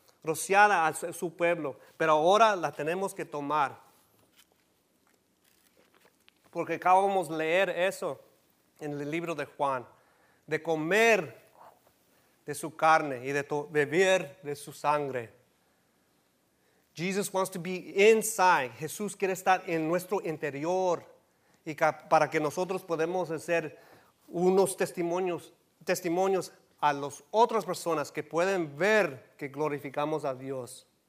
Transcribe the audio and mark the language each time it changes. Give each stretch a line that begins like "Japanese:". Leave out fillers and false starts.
Spanish: Rociada a su pueblo, pero ahora la tenemos que tomar. Porque acabamos de leer eso en el libro de Juan. De comer de su carne y de beber de su sangre.
English: Jesus wants to be inside.
Spanish: Jesús quiere estar en nuestro interior. Y para que nosotros podamos hacer unos testimonios a las otras personas que pueden ver que glorificamos a Dios.